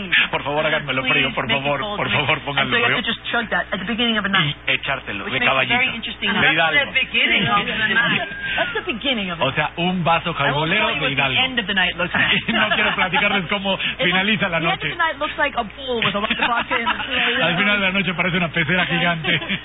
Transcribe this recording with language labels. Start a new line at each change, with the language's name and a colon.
Spanish: Por favor, háganmelo frío, por favor, por favor, pónganlo frío.
English: So you have to just chug that at the beginning of a night.
Spanish: Y echártelo de caballito.
English: Very interesting.
Spanish: De Hidalgo.
English: That's the beginning of the night. That's the beginning of
Spanish: it. O sea, un vaso caibolero de Hidalgo.
English: The end of the night looks like.
Spanish: No quiero platicarles cómo finaliza la noche.
English: The end of the night looks like a pool with a lot of vodka in it.
Spanish: Al final de la noche parece una pecera gigante.